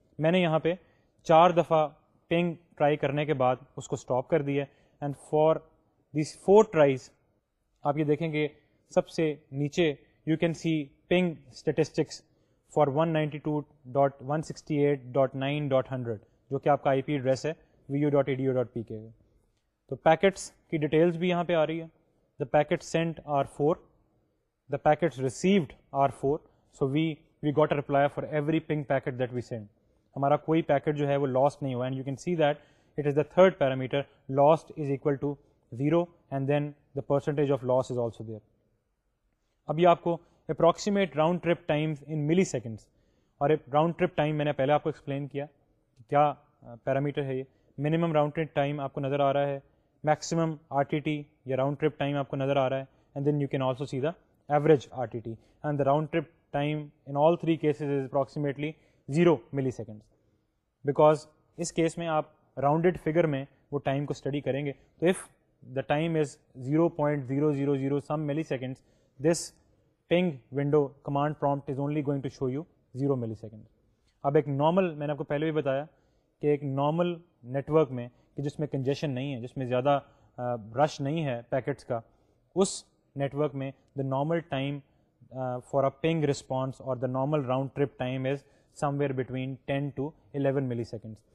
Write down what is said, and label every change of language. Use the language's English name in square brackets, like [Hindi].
[Urdu] میں نے یہاں پہ چار دفعہ پنک ٹرائی کرنے کے بعد اس کو اسٹاپ کر دیا [English] and for these four tries [Urdu] آپ یہ دیکھیں گے سب سے نیچے [English] you can see ping statistics for [Urdu] 192.168.9.100 جو کہ آپ کا آئی پی ایڈریس ہے وی you dot E D you dot P کے. تو پیکٹس کی ڈیٹیلس بھی یہاں پہ آ رہی ہے. [English] The packet sent are four, the packets received are four. So we got a reply for every ping packet that we send. [Urdu] ہمارا کوئی پیکٹ جو ہے وہ لاسٹ نہیں ہوا. [English] And you can see that it is the third parameter lost is equal to zero and then the percentage of loss is also there. [Urdu] ابھی آپ کو [English] Approximate round trip times in milliseconds. [Urdu] اور round trip time میں نے پہلے آپ کو ایکسپلین کیا کیا پیرامیٹر ہے. یہ منیمم راؤنڈ ٹرپ ٹائم آپ کو نظر آ رہا ہے, میکسیمم آر ٹی ٹی یا راؤنڈ ٹرپ ٹائم آپ کو نظر آ رہا ہے, [English] And then you can also see the average R T T. And the round trip time in all three cases is approximately zero milliseconds. [Urdu] بیکاز اس کیس میں آپ rounded figure میں وہ ٹائم کو اسٹڈی کریں گے. [English] تو if the time is 0.000 some milliseconds, this ping window command prompt is only going to show you 0 millisecond. [Urdu] اب ایک نارمل, میں نے آپ کو پہلے بھی بتایا کہ ایک نارمل نیٹورک میں کہ جس میں کنجیشن نہیں ہے, جس میں زیادہ رش نہیں ہے پیکٹس کا, اس نیٹورک میں [English] The normal time for a ping response اور the normal round trip time is somewhere between 10-11 milliseconds.